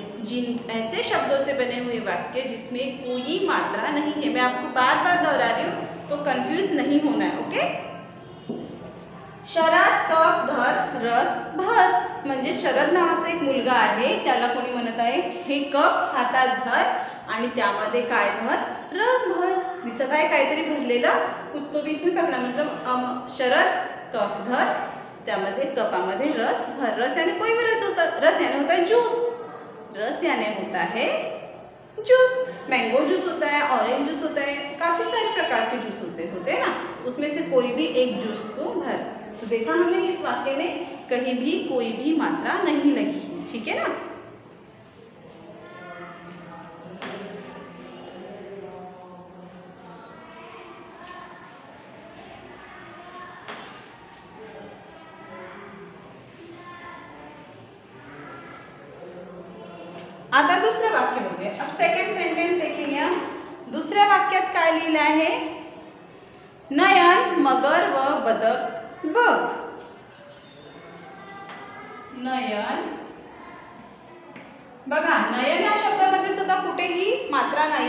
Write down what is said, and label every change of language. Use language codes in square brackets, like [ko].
[hi] जिन ऐसे शब्दों से बने हुए वाक्य जिसमें कोई मात्रा नहीं है। मैं आपको बार बार दोहरा रही हूँ तो कन्फ्यूज नहीं होना है। [mr] ओके, शरद कप धर रस भर, म्हणजे शरद नावाचा एक मुलगा आहे, त्याला कोणी म्हणत आहे हे कप हातात धर आणि त्यामध्ये काय भर, रस भर, दिसत आहे काहीतरी भरलेलं, [hi] कुछ तो भी इसमें पकड़ा, मतलब [mr] शरद कप धर त्यामध्ये कपामध्ये रस भर, [hi] रस याने कोई भी रस होता, रस याने होता है [mr] ज्यूस, रस याने होता है [hi] ज्यूस, मैंगो ज्यूस होता है, ऑरेंज ज्यूस होता है, काफ़ी सारे प्रकार के ज्यूस होते हैं ना, उसमें से कोई भी एक ज्यूस को भर। तो देखा हमने इस वाक्य में कहीं भी कोई भी मात्रा नहीं लगी, ठीक है ना। आता दूसरे वाक्य हो गए। अब सेकंड सेंटेंस देखेंगे हम। [mr] दूसरे वाक्यात काय लिहिले आहे? नयन मगर व बदक बघ। नयन बघा, नयन या शब्दामध्ये सुद्धा कुठेही मात्रा नाही।